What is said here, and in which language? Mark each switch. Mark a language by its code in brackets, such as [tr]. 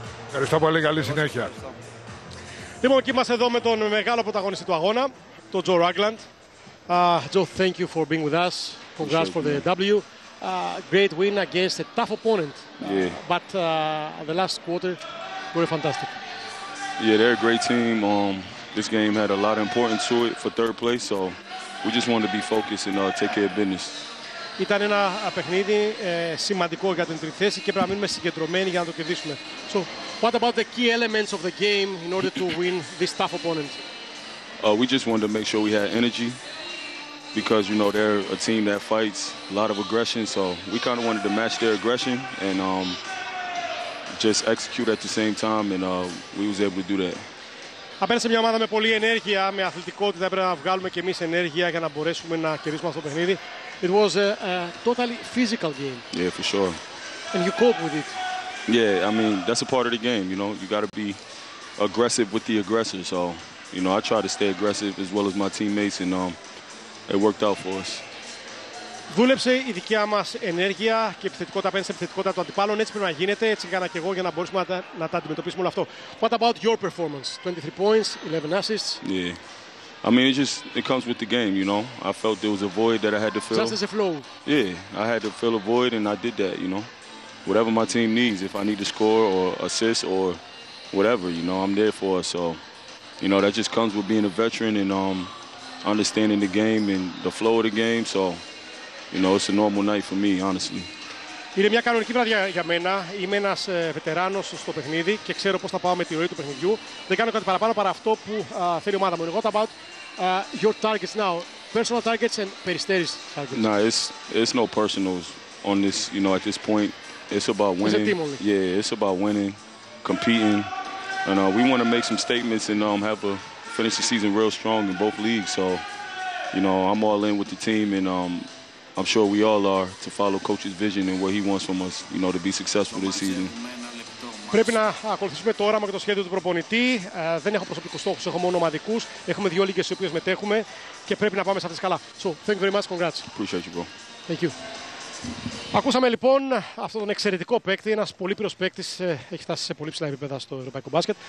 [el] Ευχαριστώ πολύ, καλή συνέχεια. Λοιπόν, και είμαστε εδώ με τον μεγάλο πρωταγωνιστή του αγώνα, τον Τζο Ράγκλαντ. [en] Τζο, thank you for being with us. Congrats for the W. Great win against a tough opponent, but the last quarter were fantastic. Yeah, they're a great team. This game had a lot of importance to it for third place, so we just wanted to be focused and take care of business. [el] Ήταν ένα παιχνίδι σημαντικό για την τρίτη θέση και πρέπει να μείνουμε συγκεντρωμένοι για να το κερδίσουμε. [en] So, what about the key elements of the game in order to win this tough opponent? We just wanted to make sure we had energy. Because you know they're a team that fights a lot of aggression, so we kind of wanted to match their aggression and just execute at the same time, and we was able to do that. [el] Απέναντι μια ομάδα με πολλή ενέργεια, με αθλητικότητα, πρέπει να βγάλουμε και εμείς ενέργεια για να μπορέσουμε να κερδίσουμε αυτό το παιχνίδι. [en] It was a totally physical game. Yeah, for sure. And you cope with it. Yeah, I mean that's a part of the game. You know, you got to be aggressive with the aggressor. So, you know, I try to stay aggressive as well as my teammates and. It worked out for us. [el] Δούλεψε η δικιά μας ενέργεια και επιθετικότητα απέναντι στην επιθετικότητα του αντιπάλων. Έτσι πρέπει να γίνεται, έτσι έκανα και εγώ για να μπορέσουμε να τα αντιμετωπίσουμε όλο αυτό. [en] What about your performance? 23 points, 11 assists. Yeah. I mean, it comes with the game, you know. I felt there was a void that I had to fill. Just as a flow. Yeah, I had to fill a void and I did that, you know. Whatever my team needs, if I need to score or assist or whatever, you know, I'm there for us. So, you know, that just comes with being a veteran and understanding the game and the flow of the game, so you know it's a normal night for me, honestly. [el] Είναι μια κανονική βραδιά για μένα. Είμαι ένας βετεράνος στο παιχνίδι και ξέρω πώς θα πάω με τη ροή του παιχνιδιού. Δεν κάνω κάτι παραπάνω παρά αυτό που θέλει η ομάδα μου. [en] What about your targets now? Personal targets and Περιστέρης targets. Nah, it's no personals on this, you know, at this point. It's about winning. Yeah, it's about winning, competing. And we want to make some statements and have a finish the season real strong in both leagues. So, you know, I'm all in with the team and I'm sure we all are to follow coach's vision and what he wants from us, you know, to be successful this season. [el] Πρέπει να ακολουθήσουμε το όραμα και το σχέδιο του προπονητή. Δεν έχω προσωπικούς στόχους, έχω μόνο ομαδικούς. Έχουμε δύο λίγες στις οποίες μετέχουμε και πρέπει να πάμε σε αυτές καλά. [en] So, thank you very much. Congrats. Appreciate you, bro. Thank you. [el] Ακούσαμε λοιπόν αυτόν τον εξαιρετικό παίκτη, ένας πολύπειρος παίκτης, έχει φτάσει σε πολύ ψηλά επίπεδα στο ευρωπαϊκό μπάσκετ.